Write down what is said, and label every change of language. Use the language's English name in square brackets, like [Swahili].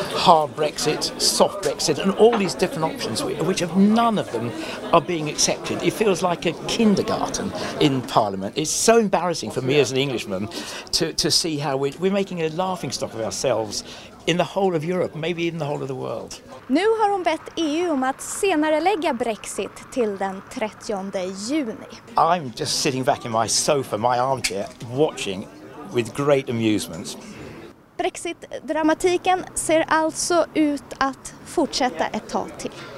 [English] Hard Brexit, soft Brexit, and all these different options, which of none of them are being accepted. It feels like a kindergarten in Parliament. It's so embarrassing for me as an Englishman to see how we're making a laughingstock of ourselves in the whole of Europe, maybe even the whole of the world. [Swedish] Nu har hon bett EU om att senare lägga Brexit till den 30 juni. [English] I'm just sitting back in my sofa, my armchair, watching with great amusement. [Swedish] Brexit-dramatiken ser alltså ut att fortsätta ett tag till.